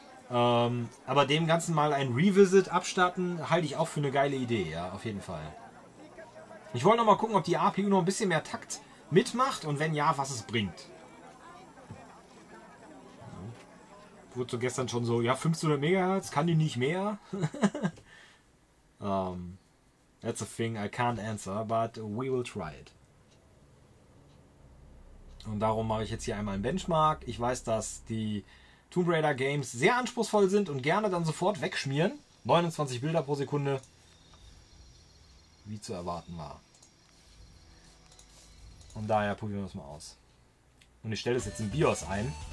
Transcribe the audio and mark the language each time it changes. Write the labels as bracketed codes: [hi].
[de] Aber dem Ganzen mal ein Revisit abstatten, halte ich auch für eine geile Idee, ja, auf jeden Fall. Ich wollte nochmal gucken, ob die APU noch ein bisschen mehr Takt mitmacht und wenn ja, was es bringt. Wurde so gestern schon so, ja, 1500 MHz, kann die nicht mehr? [en] that's a thing I can't answer, but we will try it. [de] Und darum mache ich jetzt hier einmal einen Benchmark. Ich weiß, dass die Tomb Raider Games sehr anspruchsvoll sind und gerne dann sofort wegschmieren. 29 Bilder pro Sekunde, wie zu erwarten war. Und daher probieren wir es mal aus. Und ich stelle es jetzt im BIOS ein.